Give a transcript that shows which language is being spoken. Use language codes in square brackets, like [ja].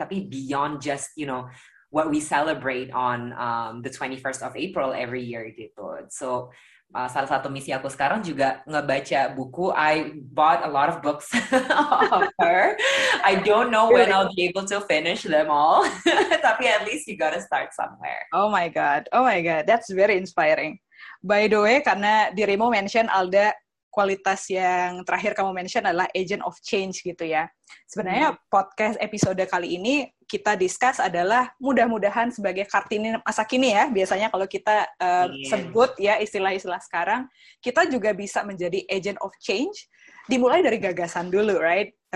[en] Tapi beyond just, you know, what we celebrate on the 21st of April every year gitu. [id] So, salah satu misi aku sekarang juga ngebaca buku. [en] I bought a lot of books of her. I don't know when I'll be able to finish them all. Tapi at least you gotta start somewhere. Oh my god, that's very inspiring. By the way, [id] karena dirimu mention Alda, kualitas yang terakhir kamu mention adalah [en] agent of change [id] gitu ya. Sebenarnya podcast episode kali ini kita discuss adalah mudah-mudahan sebagai Kartini masa kini ya, biasanya kalau kita sebut ya istilah-istilah sekarang, kita juga bisa menjadi [en] agent of change [id] dimulai dari gagasan dulu, right?